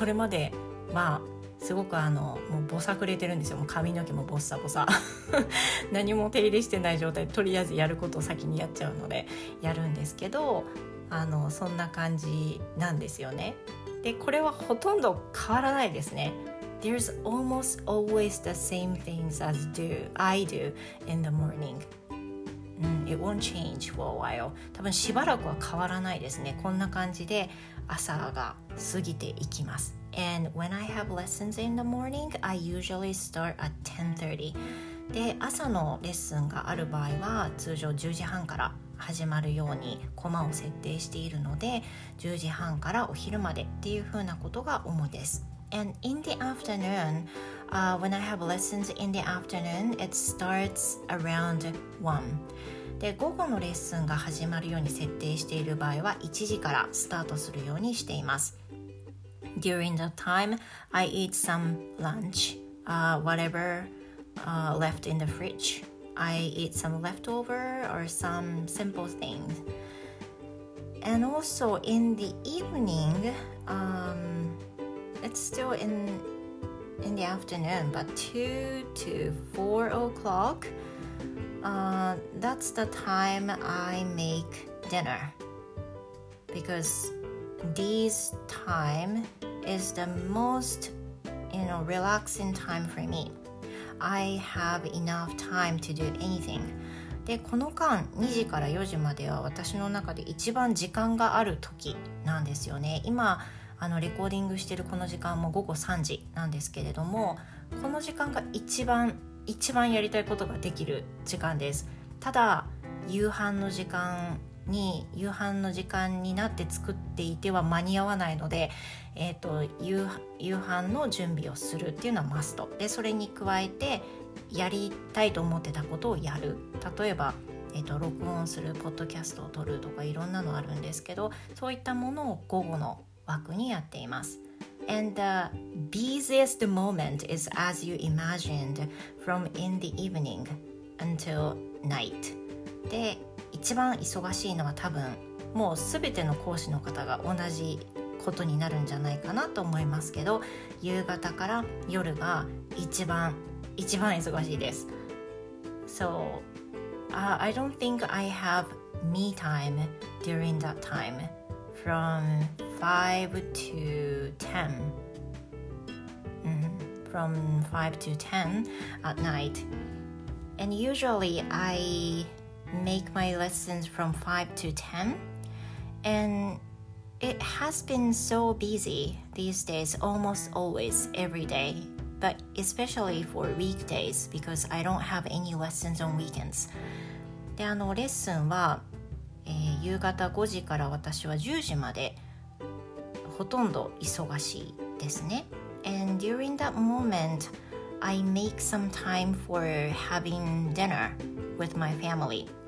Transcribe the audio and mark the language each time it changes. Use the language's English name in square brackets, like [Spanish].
[Japanese] それまではすごくもうぼさくれてるんですよ。もう髪の毛もぼさぼさ何も手入れしてない状態で、とりあえずやることを先にやっちゃうのでやるんですけど、そんな感じなんですよね。で、これはほとんど変わらないですね。 [English] There's almost always the same things as I do in the morning. It won't change for a while. [Japanese] 多分しばらくは変わらないですね。こんな感じで朝が過ぎていきます。 [English] And when I have lessons in the morning, I usually start at 10:30. [Japanese] で、朝のレッスンがある場合は通常10時半から始まるようにコマを設定しているので、10時半からお昼までっていう風なことが主です。 [English] And in the afternoon, when I have lessons in the afternoon, it starts around 1. [Japanese] で、午後のレッスンが始まるように設定している場合は1時からスタートするようにしています。 [English] During the time, I eat some lunch, whatever left in the fridgeI eat some leftover or some simple things. And also in the evening, it's still in the afternoon, but 2 to 4 o'clock, that's the time I make dinner. Because this time is the most, relaxing time for me. I have enough time to do anything. [Japanese] で、この間2時から4時までは私の中で一番時間がある時なんですよね。今レコーディングしてるこの時間も午後3時なんですけれども、この時間が一番やりたいことができる時間です。ただ夕飯の時間になって作っていては間に合わないので、夕飯の準備をするっていうのはマスト。で、それに加えてやりたいと思ってたことをやる。例えば、録音するポッドキャストを撮るとか、いろんなのあるんですけど、そういったものを午後の枠にやっています。 [English] And the busiest moment is as you imagined, from in the evening until night. [Japanese] で、一番忙しいのは多分もう全ての講師の方が同じことになるんじゃないかなと思いますけど、夕方から夜が一番忙しいです。 [English] So, I don't think I have me time during that time from 5 to 10. From 5 to 10 at night. And usually I make my lessons from 5 to 10. And it has been so busy these days, almost always every day, but especially for weekdays because I don't have any lessons on weekends. [Japanese] で、あのレッスンは、夕方5時から私は10時までほとんど忙しいですね。 [English] And during that moment, I make some time for having dinner with my family.